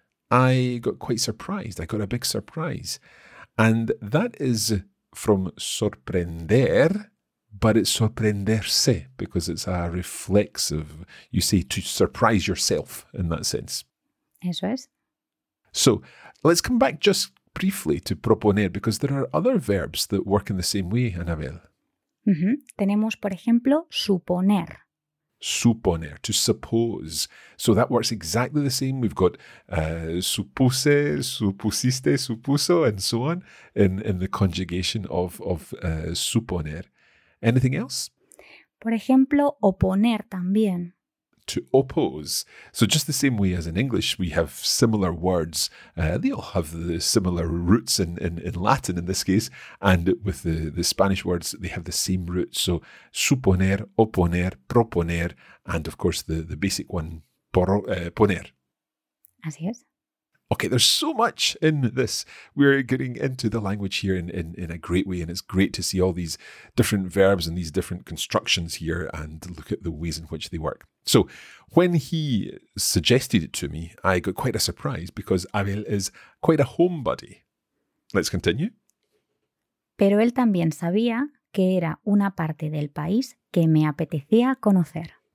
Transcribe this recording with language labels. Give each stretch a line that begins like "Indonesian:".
English: I got quite surprised. I got a big surprise. And that is from sorprender, but it's sorprenderse because it's a reflexive, you say, to surprise yourself in that sense.
Spanish: Eso es.
English: So let's come back just briefly to proponer because there are other verbs that work in the same way, Anabel. Mm-hmm.
Spanish: Tenemos, por ejemplo, suponer.
English: Suponer, to suppose. So that works exactly the same. We've got supuse, supusiste, supuso, and so on in the conjugation of suponer. Anything else?
Spanish: Por ejemplo, oponer también.
English: To oppose. So just the same way as in English, we have similar words. They all have the similar roots in Latin in this case. And with the Spanish words, they have the same root. So suponer, oponer, proponer, and of course the basic one, poner.
Spanish: Así es.
English: Okay, there's so much in this. We're getting into the language here in a great way, and it's great to see all these different verbs and these different constructions here and look at the ways in which they work. So when he suggested it to me, I got quite a surprise because Abel is quite a homebody. Let's continue.
Spanish: Pero él también sabía que era una parte del país que me apetecía conocer.